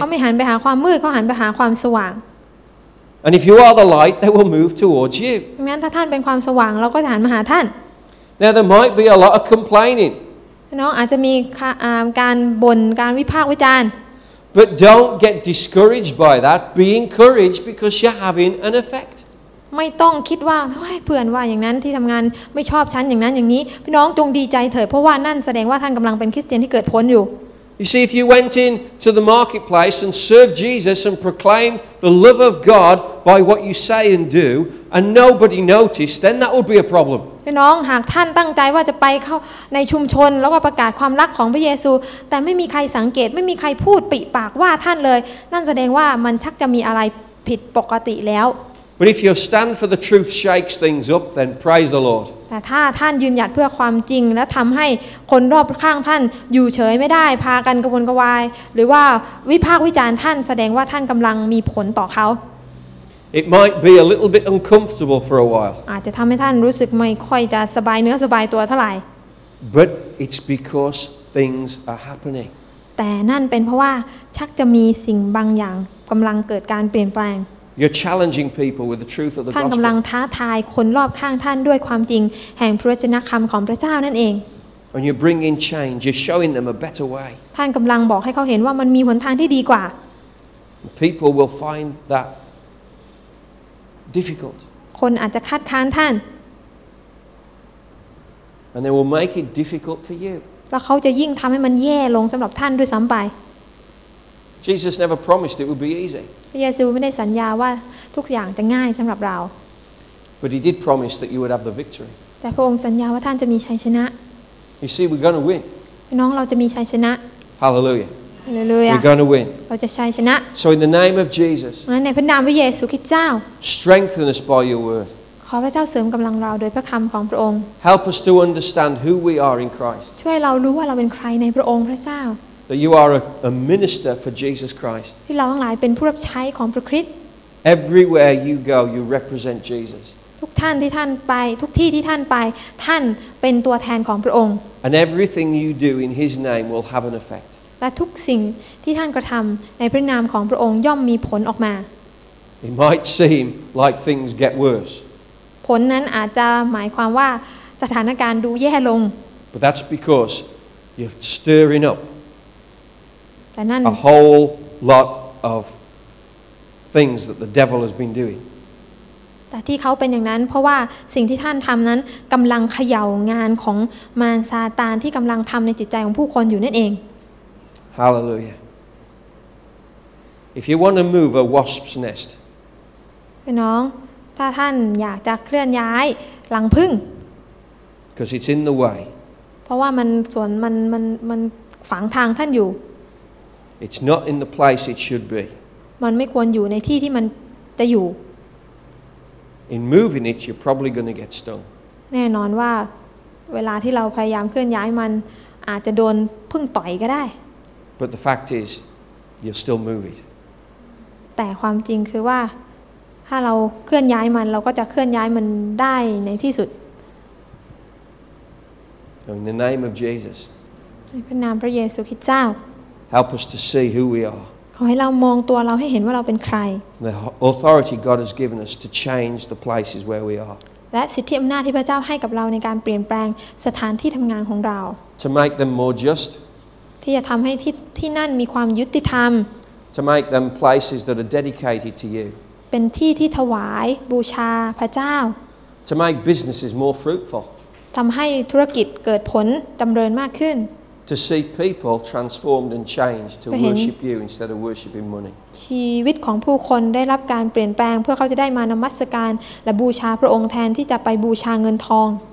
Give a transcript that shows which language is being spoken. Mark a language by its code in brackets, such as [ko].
[th] เขาไม่หันไปหาความมืดเขาหันไปหาความสว่าง [en] And if you are the light, they will move towards you. [th] ดังนั้นถ้าท่านเป็นความสว่างเราก็จะหันมาหาท่าน [en] Now there might be a lot of complaining. [th] น้องอาจจะมีการบ่นการวิพากษ์วิจารณ์ [en] But don't get discouraged by that. Be encouraged because you're having an effect. [th] ไม่ต้องคิดว่าเฮ้ยเพื่อนว่าอย่างนั้นที่ทำงานไม่ชอบฉันอย่างนั้นอย่างนี้พี่น้องจงดีใจเถิดเพราะว่านั่นแสดงว่าท่านกำลังเป็นคริสเตียนที่เกิดผลอยู่ [en] You see if you went in to the marketplace and served Jesus and proclaimed the love of God by what you say and do and nobody noticed then that would be a problem [th] พี่น้องหากท่านตั้งใจว่าจะไปเข้าในชุมชนแล้วก็ประกาศความรักของพระเยซูแต่ไม่มีใครสังเกตไม่มีใครพูดปิปากว่าท่านเลยนั่นแสดงว่ามันชักจะมีอะไรผิดปกติแล้ว [en] But if your stand for the truth shakes things up, then praise the Lord. [th] แต่ถ้าท่านยืนหยัดเพื่อความจริงและทำให้คนรอบข้างท่านอยู่เฉยไม่ได้พากันกระวนกระวายหรือว่าวิพากษ์วิจารณ์ท่านแสดงว่าท่านกำลังมีผลต่อเขา [en] It might be a little bit uncomfortable for a while. [th] อาจจะทำให้ท่านรู้สึกไม่ค่อยจะสบายเนื้อสบายตัวเท่าไหร่ [en] But it's because things are happening. [th] แต่นั่นเป็นเพราะว่าชักจะมีสิ่งบางอย่างกำลังเกิดการเปลี่ยนแปลง [en] You're challenging people with the truth of the gospel. [th] ท่านกำลังท้าทายคนรอบข้างท่านด้วยความจริงแห่งพระวจนะคำของพระเจ้านั่นเอง [en] And you're bringing change. You're showing them a better way. [th] ท่านกำลังบอกให้เขาเห็นว่ามันมีหนทางที่ดีกว่า [en] People will find that difficult. [th] คนอาจจะคัดค้านท่าน [en] And they will make it difficult for you. [th] แล้วเขาจะยิ่งทำให้มันแย่ลงสำหรับท่านด้วยซ้ำไป [en] Jesus never promised it would be easy. [th] พระเยซูไม่ได้สัญญาว่าทุกอย่างจะง่ายสำหรับเรา [en] But he did promise that you would have the victory. [th] แต่พระองค์สัญญาว่าท่านจะมีชัยชนะ [en] You see, we're going to win. [th] พี่น้องเราจะมีชัยชนะ [en] Hallelujah. Hallelujah. We're going to win. [th] เราจะชัยชนะ [en] So in the name of Jesus. [th] ในพระนามพระเยซูคริสต์เจ้า [en] Strengthen us by your word. [th] ขอพระเจ้าเสริมกำลังเราโดยพระคำของพระองค์ [en] Help us to understand who we are in Christ. [th] ช่วยเรารู้ว่าเราเป็นใครในพระองค์พระเจ้า [en] That you are a minister for Jesus Christ. [th] ที่เราทั้งหลายเป็นผู้รับใช้ของพระคริสต์ [en] Everywhere you go, you represent Jesus. [th] ทุกท่านที่ท่านไปทุกที่ที่ท่านไปท่านเป็นตัวแทนของพระองค์ [en] And everything you do in His name will have an effect. [th] และทุกสิ่งที่ท่านกระทำในพระนามของพระองค์ย่อมมีผลออกมา [en] It might seem like things get worse. [th] ผลนั้นอาจจะหมายความว่าสถานการณ์ดูแย่ลง [en] But that's because you're stirring up. [th] แต่นั่น [en] a whole lot of things that the devil has been doing [th] แต่ที่เขาเป็นอย่างนั้นเพราะว่าสิ่งที่ท่านทำนั้นกำลังเขย่างานของมารซาตานที่กำลังทำในจิตใจของผู้คนอยู่นั่นเอง [en] Hallelujah If you want to move a wasp's nest [th] พี่น้องถ้าท่านอยากจะเคลื่อนย้ายรังผึ้ง [en] Because it's in the way [th] เพราะว่ามันส่วนมันฝังทางท่านอยู่ [en] It's not in the place it should be. [th] มันไม่ควรอยู่ในที่ที่มันจะอยู่ [en] In moving it, you're probably going to get stung. [th] แน่นอนว่าเวลาที่เราพยายามเคลื่อนย้ายมันอาจจะโดนผึ้งต่อยก็ได้ [en] But the fact is, you'll still move it. [th] แต่ความจริงคือว่าถ้าเราเคลื่อนย้ายมันเราก็จะเคลื่อนย้ายมันได้ในที่สุด [en] In the name of Jesus. [th] ในพระนามพระเยซูคริสต์เจ้า [en] Help us to see who we are. [th] ขอให้เรามองตัวเราให้เห็นว่าเราเป็นใคร [en] The authority God has given us to change the places where we are. [th] และสิทธิอำนาจที่พระเจ้าให้กับเราในการเปลี่ยนแปลงสถานที่ทำงานของเรา [en] To make them more just. [th] ที่จะทำให้ที่นั่นมีความยุติธรรม [en] To make them places that are dedicated to you. [th] เป็นที่ที่ถวายบูชาพระเจ้า [en] To make businesses more fruitful. [th] ทำให้ธุรกิจเกิดผลดำเนินมากขึ้น [en] To see people transformed and changed to worship you instead of worshiping money. [th] ชีวิตของผู้คนได้รับการเปลี่ยนแปลงเพื่อเขาจะได้มานมัสการและบูชาพระองค์แทนที่จะไปบูชาเงินทอง